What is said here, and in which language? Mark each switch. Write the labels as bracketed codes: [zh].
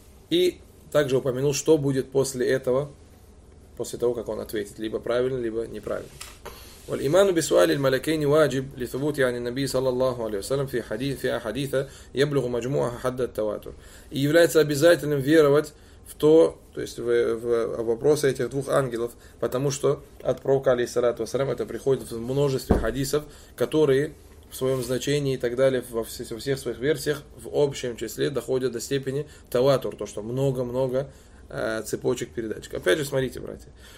[ru] И также упомянул, что будет после этого, после того, как он ответит, либо правильно, либо неправильно. [ar] والإيمان بسؤال الملكين واجب لثبوت عن النبي صلى الله عليه وسلم في حديث في أحاديث يبلغ مجموعها حد التواتر. [ru] И является обязательным веровать в то, то есть в вопросы этих двух ангелов, потому что от пророка алейхиссалату ассалям это приходит в множестве хадисов, которые в своем значении и так далее во всех своих версиях в общем числе доходят до степени таватур, то что много-много цепочек передач. Опять же, смотрите, братья.